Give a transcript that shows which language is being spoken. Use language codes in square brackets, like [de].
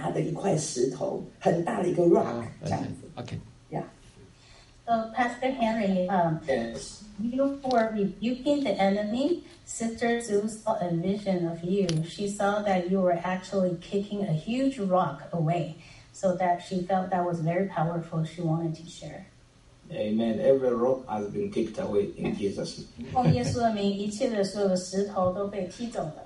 [zh] 原本那个印象中看到的是他踢足球的那个动作，踢起来，可是呢，踢的不是球，是一个很大的一块石头，很大的一个 rock 这样子。 [en] Pastor Henry, you were rebuking the enemy. Sister Sue saw a vision of you. She saw that you were actually kicking a huge rock away. So that she felt that was very powerful, she wanted to share. Amen. Every rock has been kicked away in Jesus' name. [zh] 奉耶稣的名，一切的所有的石头都被踢走了。